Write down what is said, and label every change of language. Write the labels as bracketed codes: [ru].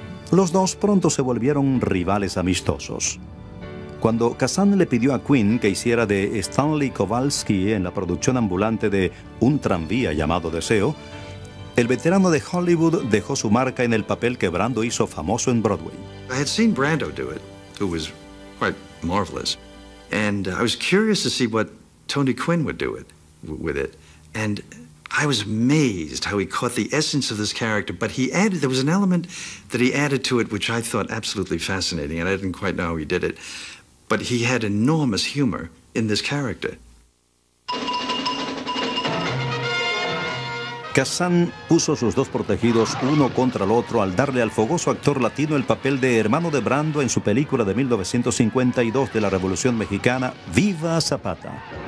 [es] Los dos pronto se volvieron rivales amistosos. Cuando Kazan le pidió a Quinn que hiciera de Stanley Kowalski en la producción ambulante de Un tranvía llamado Deseo, el veterano de Hollywood dejó su marca en el papel que Brando hizo famoso en Broadway. [en] I had seen Brando do it, who was quite marvelous. And I was curious to see what Tony Quinn would do it, with it. And I was amazed how he caught the essence of this character, but he added, there was an element that he added to it which I thought absolutely fascinating, and I didn't quite know how he did it. But he had enormous humor in this character. [es] Kazan puso sus dos protegidos uno contra el otro al darle al fogoso actor latino el papel de hermano de Brando en su película de 1952 de la Revolución Mexicana, Viva Zapata.